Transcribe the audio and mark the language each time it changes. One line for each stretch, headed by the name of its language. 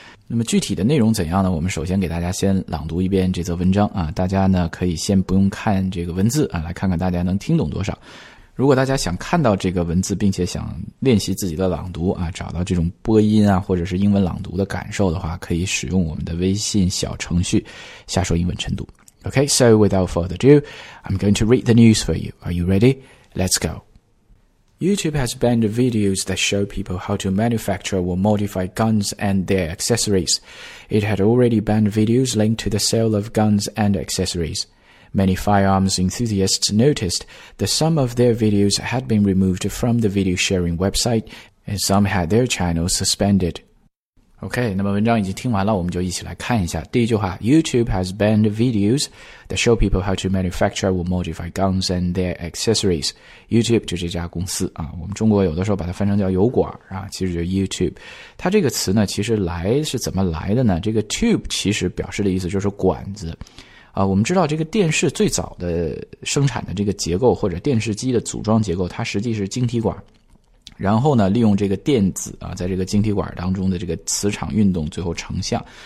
Chinese: 那么具体的内容怎样呢？我们首先给大家先朗读一遍这则文章啊，大家呢可以先不用看这个文字啊，来看看大家能听懂多少。如果大家想看到这个文字并且想练习自己的朗读啊，找到这种播音啊或者是英文朗读的感受的话，可以使用我们的微信小程序瞎说英文晨读。
English: OK, so without further ado, I'm going to read the news for you. Are you ready? Let's go. YouTube has banned videos that show people how to manufacture or modify guns and their accessories. It had already banned videos linked to the sale of guns and accessories. Many firearms enthusiasts noticed that some of their videos had been removed from the video sharing website, and some had their channels suspended.
Chinese: OK, 那么文章已经听完了，我们就一起来看一下。第一句话，
English: YouTube has banned videos that show people how to manufacture or modify guns and their accessories.
Chinese: YouTube 就这家公司啊，我们中国有的时候把它翻成叫油管啊，其实就是 YouTube。它这个词呢，其实来是怎么来的呢？这个 tube 其实表示的意思就是管子。啊，我们知道这个电视最早的生产的这个结构或者电视机的组装结构，它实际是晶体管，然后呢利用这个电子啊，在这个晶体管当中的这个磁场运动最后成像。